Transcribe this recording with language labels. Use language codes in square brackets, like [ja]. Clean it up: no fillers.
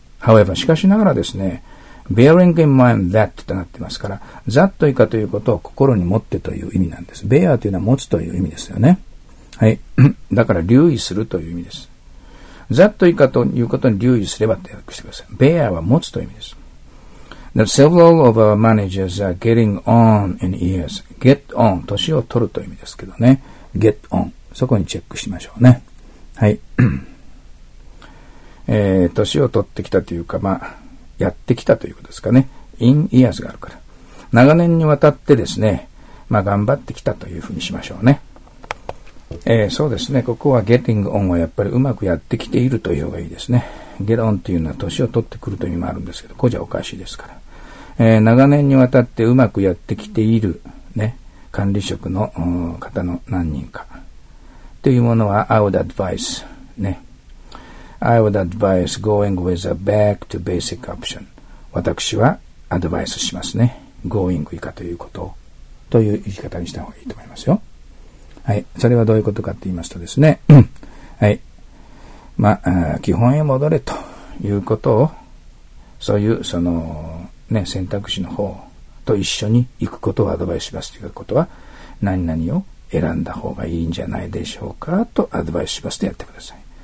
[en] However, [ja] しかしながらですね、 [en] bearing in mind that [ja] となってますから、that 以下ということを心に持ってという意味なんです。 bear というのは持つという意味ですよね。はい。だから留意するという意味です。 that 以下ということに留意すればって訳してください。 bear は持つという意味です。 [en] That several of our managers are getting on in years. [ja] get on 年を取るという意味ですけどね。get on そこにチェックしましょうね。はい。年を取ってきたというか、まあやってきたということですかね。 in years があるから。長年にわたってですね、まあ頑張ってきたというふうにしましょうね。そうですね。ここは getting on はやっぱりうまくやってきているという方がいいですね。 get on というのは年を取ってくるという意味もあるんですけど、ここじゃおかしいですから。長年にわたってうまくやってきている、ね、管理職の方の何人か。というものは、 [en] I would advise, ね。 I would advise going with a back to basic option. [ja] 私はアドバイスしますね。going 以下ということを。という言い方にした方がいいと思いますよ。はい。それはどういうことかって言いますとですね。はい。まあ、基本へ戻れということを、そういう、その、ね、選択肢の方と一緒に行くことをアドバイスしますということは、何々を選んだ方がいいんじゃないでしょうかとアドバイスしますとやってください。